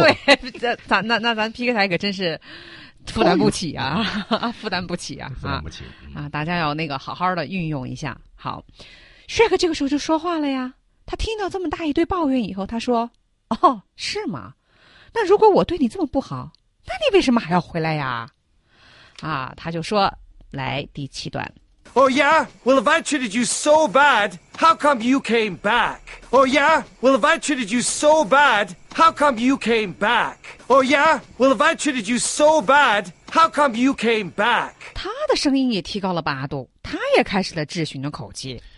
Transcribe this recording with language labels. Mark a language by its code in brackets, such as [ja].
[zh] 对，那咱 PK 台可真是负担不起啊，负担不起啊，负担不起啊，大家要那个好好的运用一下。好，薛克这个时候就说话了呀，他听到这么大一堆抱怨以后，他说，哦，是吗？那如果我对你这么不好，那你为什么还要回来呀？啊，他就说，来第七段。 [en] Oh yeah, well if I treated you so bad, how come you came back? Oh yeah, well if I treated you so bad, how come you came back? Oh yeah, well if I treated you so bad, how come you came back? [zh] 他的声音也提高了八度，他也开始了质询的口气。